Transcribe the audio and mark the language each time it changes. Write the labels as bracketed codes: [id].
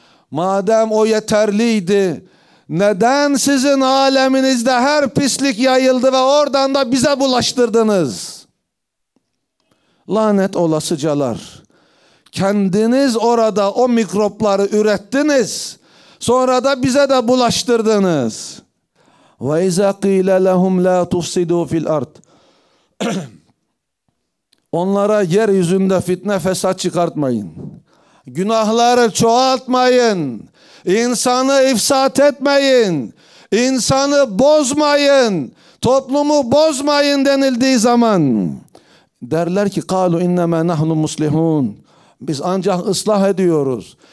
[tr] Madem o yeterliydi, neden sizin aleminizde her pislik yayıldı ve oradan da bize bulaştırdınız? Lanet olasıcalar, kendiniz orada o mikropları ürettiniz, sonra da bize de bulaştırdınız. [ar] وَاِذَا قِيلَ لَهُمْ لَا تُفْسِدُوا فِي الْاَرْضِ Onlara yeryüzünde fitne fesat çıkartmayın. [tr] Günahları çoğaltmayın. İnsanı ifsat etmeyin. İnsanı bozmayın. Toplumu bozmayın denildiği zaman derler ki قَالُوا اِنَّمَا نَحْنُ مُسْلِحُونَ Biz ancak ıslah ediyoruz.